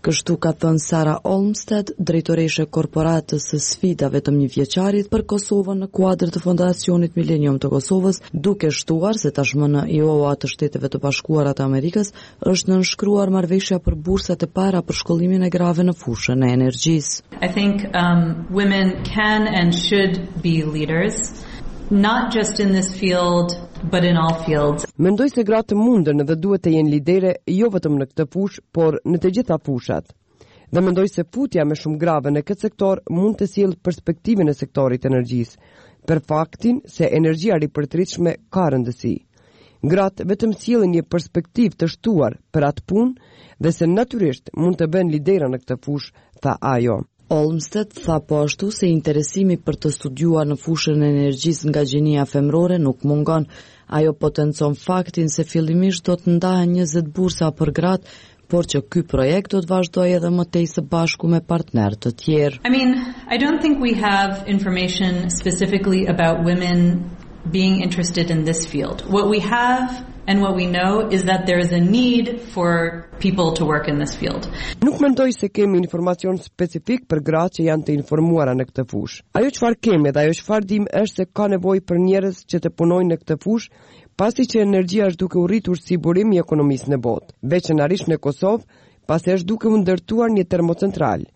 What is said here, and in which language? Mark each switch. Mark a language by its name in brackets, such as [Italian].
[Albanian] Kështu ka thënë Sara Olmsted, drejtoreshe korporatës së sfidave të mijëvjeçarit për Kosovën në kuadër të Fondacionit Millennium të Kosovës, duke shtuar se tashmë në IOA të Shteteve të Bashkuara të Amerikës është nënshkruar marrëveshja për bursat e para për shkollimin e grave në fushën e energjisë. [English] I think women can and should be leaders, not just in this field, but in all fields. [Albanian] Mendoj se gratë mundën dhe duhet të jenë lidere jo vetëm në këtë fushë, por në të gjitha fushat. Dhe mendoj se futja me shumë grave në këtë sektor mund të sjellë perspektivën e sektorit të energjisë, për faktin se energjia ripërtritshme ka rëndësi. Gratë vetëm sjellin një perspektivë të shtuar për atë punë dhe se natyrisht mund të bëjnë lidera në këtë fushë, tha ajo. Olmsted tha po ashtu se interesimi për të studiuar në fushën e energjisë nga gjinia femrore nuk mungon. Ajo potencon faktin se fillimisht do të ndahen 20 bursa për gratë, por që ky projekt do të vazhdojë edhe më tej së bashku me partnerë të tjerë. [English] I mean, I don't think we have information specifically about women being interested in this field. What we have and what we know is that there is a need for people to work in this field. [Albanian] Nuk mendoj se kemi informacion specifik për gratë që janë të informuara në këtë fushë. Ajo çfarë kemi dhe ajo çfarë dim është se ka nevojë për njerëz që të punojnë në këtë fushë, pasi që energjia është duke u rritur si burim i ekonomisë në botë, veçanërisht në Kosovë, pasi është duke u ndërtuar një termocentral.